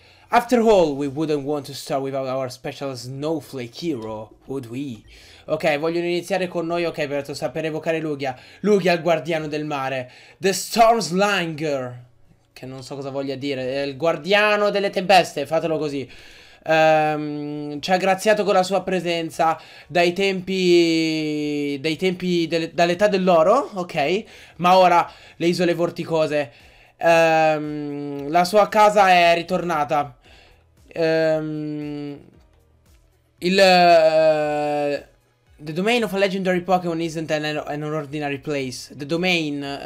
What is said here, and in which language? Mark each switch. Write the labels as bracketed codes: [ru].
[en] After all, we wouldn't want to start without our special snowflake hero, would we? [it] Ok, vogliono iniziare con noi, ok, però sta per evocare Lugia. Lugia, il guardiano del mare. The Stormslinger. Che non so cosa voglia dire. Il guardiano delle tempeste, fatelo così. Ci ha graziato con la sua presenza dall'età dell'oro, ok. Ma ora le isole vorticose, la sua casa è ritornata. [en] The domain of a legendary Pokémon isn't an ordinary place. The domain,